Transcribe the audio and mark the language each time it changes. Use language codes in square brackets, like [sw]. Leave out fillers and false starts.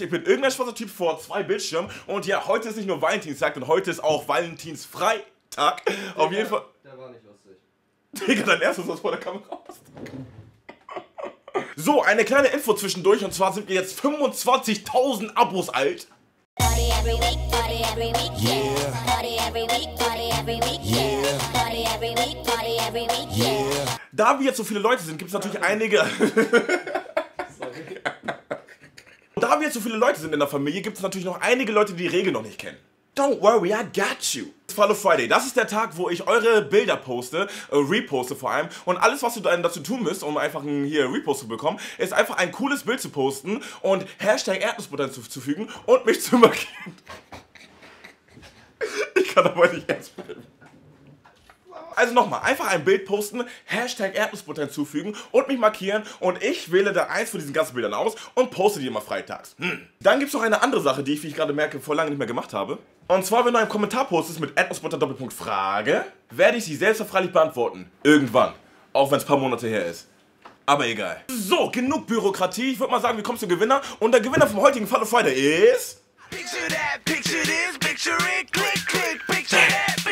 [de] Ich bin irgendein schwarzer Typ vor zwei Bildschirmen. Und ja, heute ist nicht nur Valentinstag, denn heute ist auch Valentinsfreitag. Digga, auf jeden Fall. Der war nicht lustig. Digga, dein erstes, was vor der Kamera passt. So, eine kleine Info zwischendurch. Und zwar sind wir jetzt 25.000 Abos alt. [en] Party every week, party every week, party every week, yeah. Party every week, party every week, yeah. [de] Da wir so viele Leute sind, gibt es natürlich einige. Sorry. Da wir jetzt so viele Leute sind in der Familie, gibt es natürlich noch einige Leute, die die Regel noch nicht kennen. [en] Don't worry, I got you. [de] Follow Friday. Das ist der Tag, wo ich eure Bilder poste, reposte vor allem. Und alles, was du dann dazu tun müsst, um einfach hier Repost zu bekommen, ist einfach ein cooles Bild zu posten und Hashtag Erdnussbutter hinzuzufügen und mich zu markieren. Ich kann aber nicht ernst bleiben. Also nochmal, einfach ein Bild posten, Hashtag Erdnussbutter hinzufügen und mich markieren und ich wähle da eins von diesen ganzen Bildern aus und poste die immer freitags. Dann gibt's noch eine andere Sache, die ich, wie ich gerade merke, vor lange nicht mehr gemacht habe. Und zwar, wenn du einen Kommentar postest mit Erdnussbutter:Frage, werde ich sie selbstverfreilich beantworten. Irgendwann. Auch wenn es ein paar Monate her ist. Aber egal. So, genug Bürokratie. Ich würde mal sagen, wir kommen zum Gewinner. Und der Gewinner vom heutigen Fall of Friday ist... [en] Picture that, picture this, picture it, click, click, picture that.